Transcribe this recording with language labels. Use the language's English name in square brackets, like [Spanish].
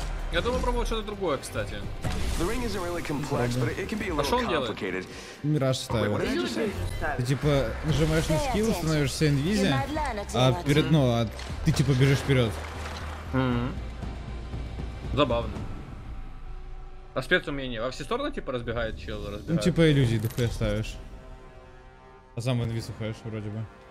[Russian] Я думаю пробовать что-то другое, кстати. [English] The ring isn't really complex, but it can be a little complicated. [Russian] Мираж ставил. Ты типа нажимаешь на скилл, становишься инвизи, а перед, ну, а ты типа бежишь вперед. Забавно. А спецумение во все стороны типа разбегает чел, разбегает. Ну типа иллюзии духе ставишь. А сам инвиз уходишь вроде бы.